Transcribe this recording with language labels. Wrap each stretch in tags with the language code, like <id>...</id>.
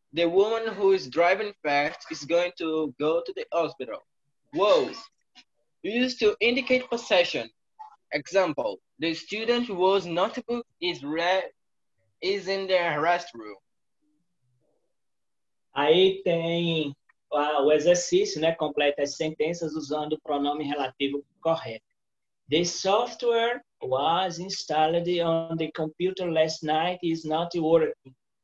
<en>The woman who is driving fast is going to go to the hospital. Was used to indicate possession. Example, the student whose notebook is in the restroom.</en> <pt>Aí tem o exercício, né? Completa as sentenças usando o pronome relativo correto.</pt> <en>The software was installed on the computer last night is not working.</en>